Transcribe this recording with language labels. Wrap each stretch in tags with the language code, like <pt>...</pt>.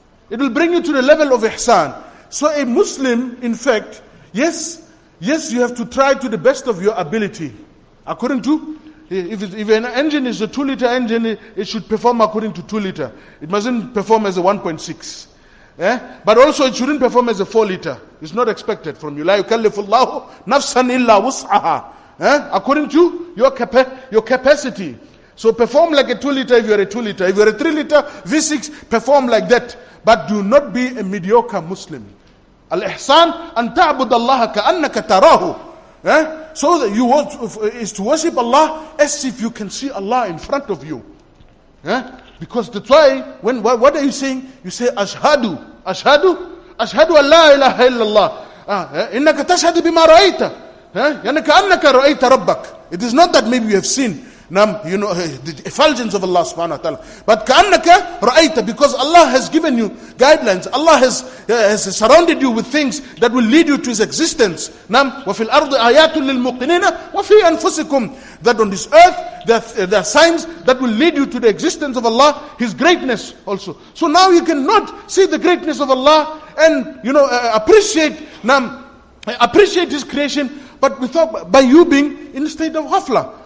<en>It will bring you to the level of ihsan. So a Muslim, in fact, yes, you have to try to the best of your ability. According to, If an engine is a 2-liter engine, it should perform according to 2-liter. It mustn't perform as a 1.6. But also, it shouldn't perform as a 4-liter. It's not expected from you.</en> <ar>لا يكلف الله نفسا إلا وسعها.</ar> <en>According to your capacity. So perform like a 2-liter if you are a 2-liter. If you are a 3-liter V6, perform like that. But do not be a mediocre Muslim.</en> <ar>الإحسان أن تعبد الله كأنك تراه.</ar> <en>So that you want is to worship Allah as if you can see Allah in front of you. Because that's why, when what are you saying? You say,</en> <ar>Ashhadu, Ashhadu, Ashhadu Allah ilaha illallah. إنك تشهد بما رأيت. يعني كأنك رأيت ربك.</ar> <en>It is not that maybe you have seen the effulgence of Allah subhanahu wa ta'ala. But</en> <ar>كأنك رأيت,</ar> <en>because Allah has given you guidelines. Allah has surrounded you with things that will lead you to His existence.</en> <ar>نعم وفي الأرض آيات للمقنين وفي أنفسكم.</ar> <en>That on this earth there are signs that will lead you to the existence of Allah, His greatness also. So now you cannot see the greatness of Allah and appreciate appreciate His creation, but without, by you being in a state of ghafla.</en>